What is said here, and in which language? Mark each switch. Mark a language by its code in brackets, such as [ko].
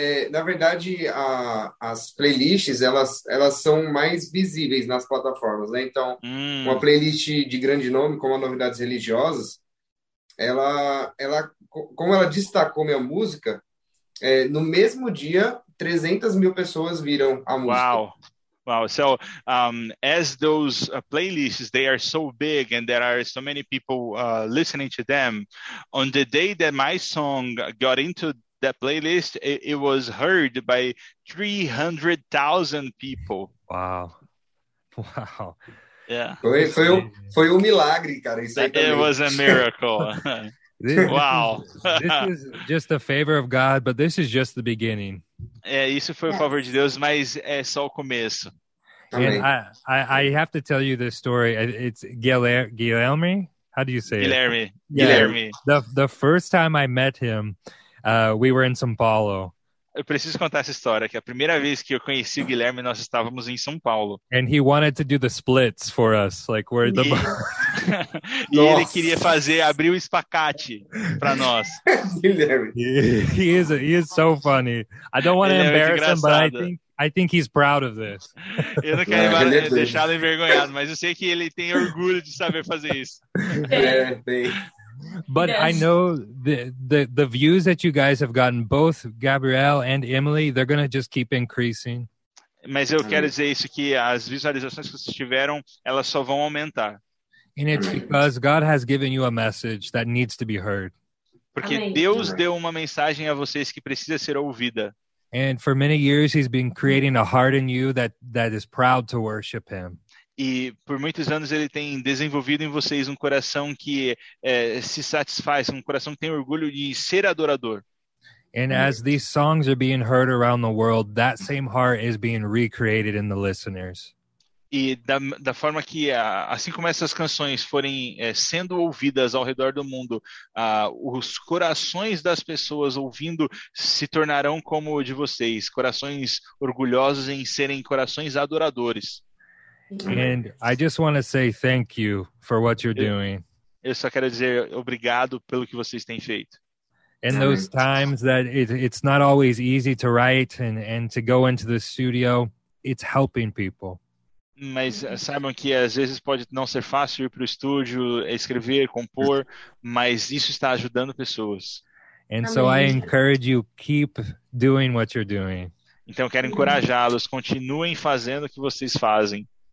[pt] Na verdade, as playlists, elas são mais visíveis nas plataformas, né? Então, uma playlist de grande nome, como a Novidades Religiosas, ela como ela destacou minha música, no mesmo dia, 300 mil pessoas viram a música. [en] Wow. So, as those playlists, they are so big and there are so many people listening to them, on the day that my song got into that playlist, it was heard by 300,000 people. Wow. Yeah. [pt] Foi um milagre, cara. Isso aí [en] it was a miracle. Wow. This is just a favor of God, but this is just the beginning. [pt] Isso foi o favor de Deus, mas é só o começo. [en] And I have to tell you this story. It's Guilherme. How do you say Guilherme. It? Guilherme. The first time I met him, we were in São Paulo. [pt] Eu preciso contar essa história, que a primeira vez que eu conheci o Guilherme, nós estávamos em São Paulo. [en] And he wanted to do the splits for us, like where the... [pt] E ele queria fazer, abrir o espacate para nós. [en] He is so funny. I don't want to embarrass him, but I think he's proud of this. [pt] Eu não quero deixá-lo envergonhado, mas eu sei que ele tem orgulho de saber fazer isso. [en] But yes. I know the views that you guys have gotten, both Gabriel and Emily, they're going to just keep increasing. [pt] Mas eu quero dizer isso, que as visualizações que vocês tiveram, elas só vão aumentar. [en] And it's because God has given you a message that needs to be heard. [pt] Porque Deus deu uma mensagem a vocês que precisa ser ouvida. [en] And for many years, he's been creating a heart in you that is proud to worship him. [pt] E por muitos anos ele tem desenvolvido em vocês um coração que se satisfaz, um coração que tem orgulho de ser adorador. [en] And as these songs are being heard around the world, that same heart is being recreated in the listeners. [pt] E da forma que, assim como essas canções forem sendo ouvidas ao redor do mundo, os corações das pessoas ouvindo se tornarão como o de vocês, corações orgulhosos em serem corações adoradores. [en] And I just want to say thank you for what you're doing. [pt] Eu só quero dizer obrigado pelo que vocês têm feito. [en] And those times that it's not always easy to write and to go into the studio, it's helping people. [pt] Mas saibam que às vezes pode não ser fácil ir para o estúdio, escrever, compor, mas isso está ajudando pessoas. [en] And so I encourage you, keep doing what you're doing. [pt] Então eu quero encorajá-los, continuem fazendo o que vocês fazem.